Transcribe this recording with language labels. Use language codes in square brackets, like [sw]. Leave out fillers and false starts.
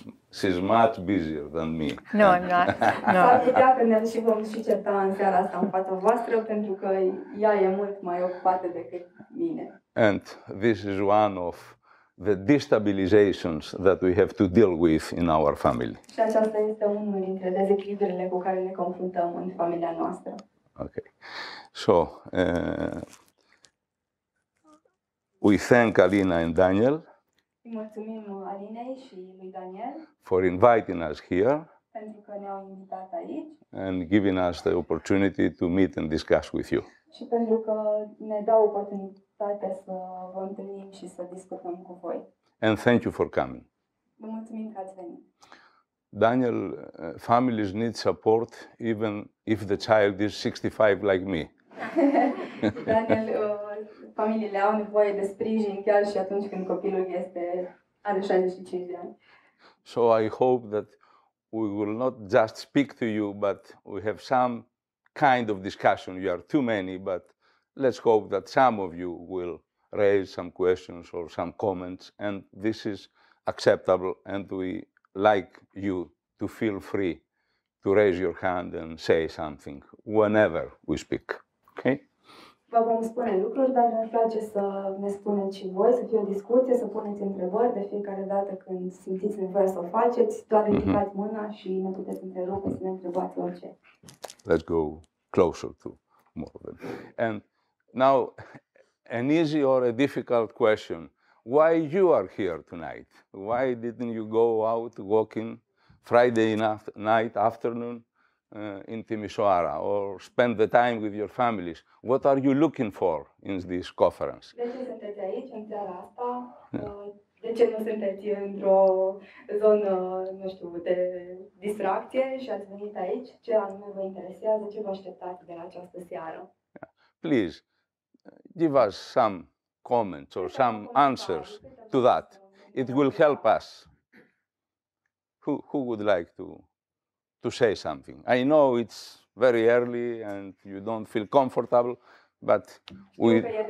[en] She's much busier than me. No, I'm not. No. [ro] S-ar putea că ne și vom și certa în seara asta în fața voastră pentru că ea e mult mai ocupată decât mine. [en] And this is one of the destabilizations that we have to deal with in our family. [ro] Și aceasta este unul dintre dezechilibrele cu care ne confruntăm în familia noastră. [en] Okay. So, we thank Alina and Daniel. [ro] Mulțumim Alinei și lui Daniel [en] for inviting us here [ro] pentru că ne-au invitat aici [en] and giving us the opportunity to meet and discuss with you. [ro] Și pentru că ne dau oportunitatea să vă întâlnim și să discutăm cu voi. [en] And thank you for coming. [ro] Vă mulțumim că ați venit. [en] Daniel, families need support even if the child is 65 like me. [ro] Daniel, familiile au nevoie de sprijin chiar și atunci când copilul are 65 de ani. [en] So I hope that we will not just speak to you, but we have some kind of discussion. You are too many, but let's hope that some of you will raise some questions or some comments, and this is acceptable, and we like you to feel free to raise your hand and say something whenever we speak. Okay? [ro] Vă vom spune lucruri, dar mi-ar place să ne spuneți și voi, să fie o discuție, să puneți întrebări de fiecare dată când simțiți nevoia să o faceți, doar ridicați mâna și ne puteți întrerupe să ne întrebați orice. [en] Let's go closer to more of them. And now, an easy or a difficult question. Why you are here tonight? Why didn't you go out walking Friday night, afternoon? In Timișoara, or spend the time with your families. What are you looking for in this conference? [ro] De ce sunteți aici în seara asta? De ce nu sunteți într-o zonă, nu știu, de distracție și ați venit aici? Ce anume vă interesează? Ce vă așteptați de la această seară? [en] Please, give us some comments or some answers to that. It will help us. Who would like to say something? I know it's very early and you don't feel comfortable, but we...